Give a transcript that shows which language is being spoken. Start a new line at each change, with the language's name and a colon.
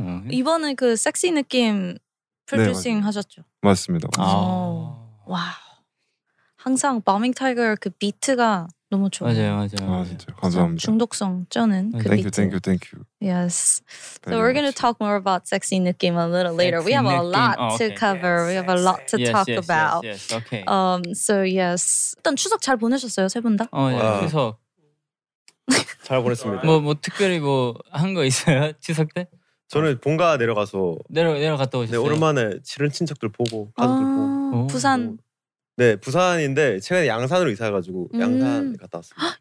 Korean: 이번에 그 섹시 느낌 프로듀싱 네, 하셨죠? 맞습니다. 와, 항상 Bombing Tiger 그 비트가 너무 좋아요. 맞아요, 맞아요. 아 진짜 감사합니다. 중독성 쩌는 그
English: thank
Korean: 비트.
English: Thank you, thank you, thank you. Yes. So we're gonna talk more about sexy 느낌 a little later. We have a lot to cover. We have a lot to talk about. Yes, yes, okay. So yes.
Korean: 일단 추석 잘 보내셨어요, 세 분 다? 어, 예, 추석 잘 보냈습니다. 뭐 특별히 뭐 한 거 있어요, 추석 때? 저는 본가 내려가서 내려갔다 오셨어요? 네, 오랜만에 지른 친척들 보고 가족들 아~ 보고 부산? 네, 부산인데 최근에 양산으로 이사해가지고 양산 갔다 왔습니다.